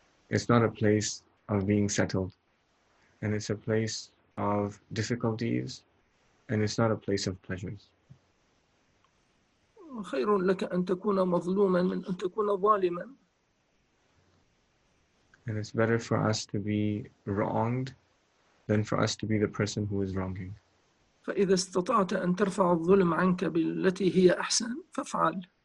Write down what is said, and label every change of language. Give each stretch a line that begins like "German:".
English: It's not a place of being settled, and it's a place of difficulties, and it's not a place of pleasures.
Arabic: خير لك أن تكون مظلوما من أن تكون ظالما.
English: And it's better for us to be wronged than for us to be the person who is wronging.
Arabic: فإذا استطعت أن ترفع الظلم عنك بالتي هي أحسن فافعل.